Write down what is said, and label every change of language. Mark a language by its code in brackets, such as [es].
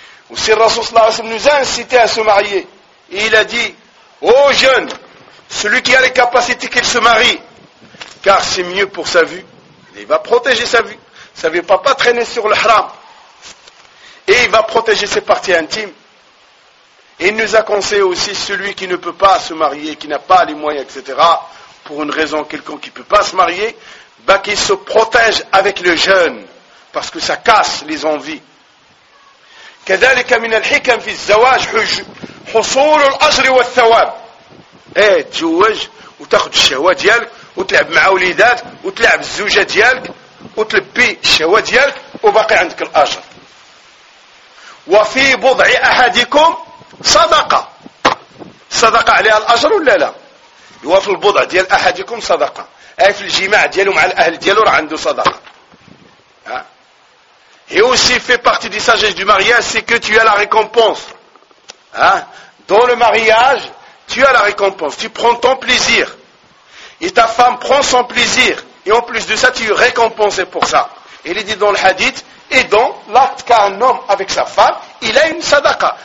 [fr] وسي الرسول صلى الله عليه وسلم نزان سيتي سمعي إلى دي او جون celui qui a les capacités qu'il se marie car c'est mieux pour sa vue il va protéger sa vue ça veut pas traîner sur le haram Et il va protéger ses parties intimes. Et il nous a conseillé aussi celui qui ne peut pas se marier, qui n'a pas les moyens, etc., pour une raison quelconque qui ne peut pas se marier, bah qu'il se protège avec le jeûne, parce que ça casse les envies. [ar] كَذَلِكَ مِنَ الْحِكَمْ فِي الزَّوَاجِ حُصُولُ الْأَجْرِ وَالثَّوَابِ Eh, تزوج وتاخذ الشهوة ديالك وتلعب مع وليداتك وتلعب الزوجة ديالك وتلبي الشهوة ديالك وباقي عندك الأجر. وفي بضع احدكم صدقه صدقه عليها الاجر ولا لا وفي البضع ديال احدكم صدقه اي في الجماع ديالو مع الاهل ديالو راه عنده صدقه [fr] هي aussi fait partie des sagesses du mariage c'est que tu as la récompense dans le mariage tu as la récompense tu prends ton plaisir et ta femme prend son plaisir et en plus de ça tu es récompensé pour ça il est dit dans le hadith Et donc, l'acte qu'un homme avec sa femme, il a une sadaqa.